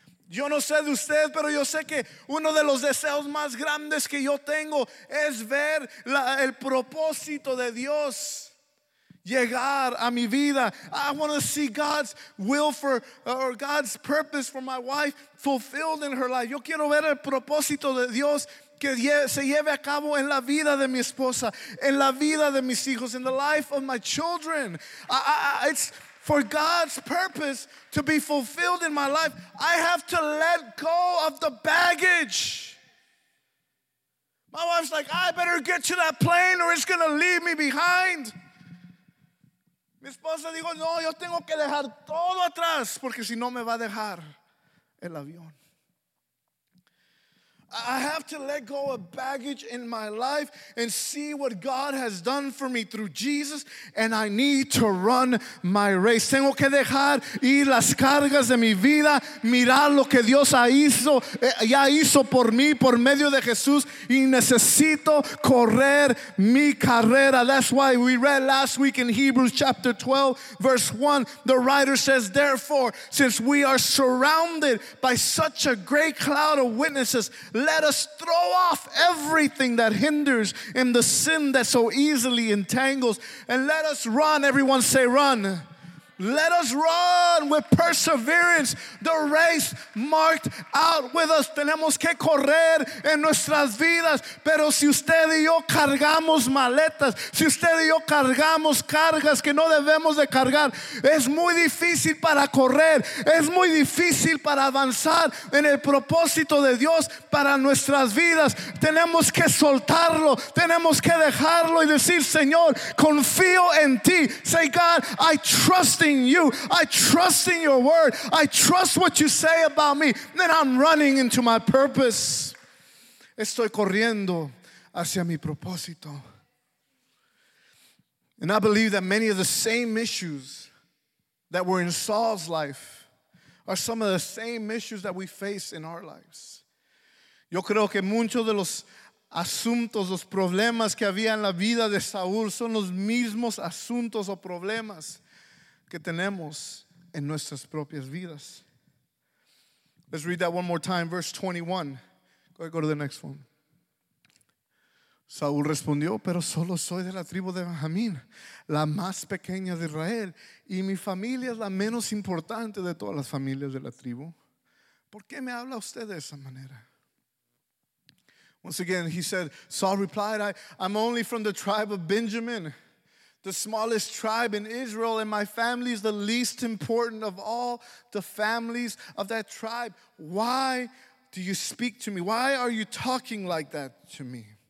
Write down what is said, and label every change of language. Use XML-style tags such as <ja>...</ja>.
<es>Yo no sé de usted, pero yo sé que uno de los deseos más grandes que yo tengo es ver el propósito de Dios llegar a mi vida.</es> <en>I want to see God's will for, or God's purpose for my wife fulfilled in her life.</en> <es>Yo quiero ver el propósito de Dios que se lleve a cabo en la vida de mi esposa, en la vida de mis hijos,</es> <en>in the life of my children. It's for God's purpose to be fulfilled in my life. I have to let go of the baggage. My wife's like, I better get to that plane or it's going to leave me behind.</en> <es>Mi esposa dijo, no, yo tengo que dejar todo atrás porque si no me va a dejar el avión.</es> <en>I have to let go of baggage in my life and see what God has done for me through Jesus, and I need to run my race.</en> <es>Tengo que dejar ir las cargas de mi vida, mirar lo que Dios ya hizo por mí, por medio de Jesús, y necesito correr mi carrera.</es> <en>That's why we read last week in Hebrews chapter 12, verse 1, the writer says, therefore, since we are surrounded by such a great cloud of witnesses, let us throw off everything that hinders and the sin that so easily entangles. And let us run. Everyone say run. Let us run with perseverance the race marked out with us.</en> <es>Tenemos que correr en nuestras vidas. Pero si usted y yo cargamos maletas, si usted y yo cargamos cargas que no debemos de cargar, es muy difícil para correr, es muy difícil para avanzar en el propósito de Dios para nuestras vidas. Tenemos que soltarlo, tenemos que dejarlo y decir, Señor, confío en ti.</es> <en>Say, God, I trust in you. I trust in your word. I trust what you say about me. Then I'm running into my purpose.</en> <es>Estoy corriendo hacia mi propósito.</es> <en>And I believe that many of the same issues that were in Saul's life are some of the same issues that we face in our lives.</en> <es>Yo creo que muchos de los asuntos, los problemas que había en la vida de Saúl son los mismos asuntos o problemas que tenemos en nuestras propias vidas.</es> <en>Let's read that one more time, verse 21. Go ahead, go to the next one.</en> <es>Saúl respondió, pero solo soy de la tribu de Benjamín, la más pequeña de Israel, y mi familia es la menos importante de todas las familias de la tribu. ¿Por qué me habla usted de esa manera?</es> <en>Once again, he said, Saul replied, I'm only from the tribe of Benjamin, the smallest tribe in Israel, and my family is the least important of all the families of that tribe. Why do you speak to me? Why are you talking like that to me?</en>